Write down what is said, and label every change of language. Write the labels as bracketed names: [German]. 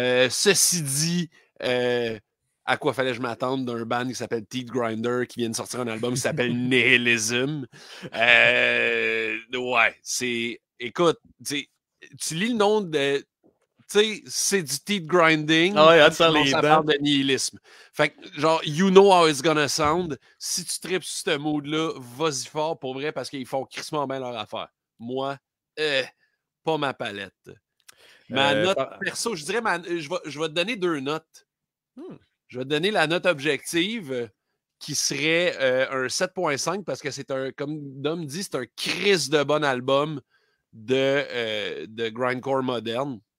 [French] Ceci dit, à quoi fallait-je m'attendre d'un band qui s'appelle Teeth Grinder qui vient de sortir un album qui s'appelle Nihilism? Ouais, c'est... Écoute, tu lis le nom de... Tu sais, c'est du teeth grinding. Ah ouais, ça les parle de nihilisme. Fait que, genre, [English] you know how it's gonna sound. [French] Si tu tripes sur ce mood-là, vas-y fort pour vrai parce qu'ils font crissement bien leur affaire. Moi, pas ma palette. Ma note perso, je dirais, je vais te donner deux notes. Je vais te donner la note objective qui serait un 7.5 parce que c'est un, comme Dom dit, c'est un criss de bon album de grindcore moderne.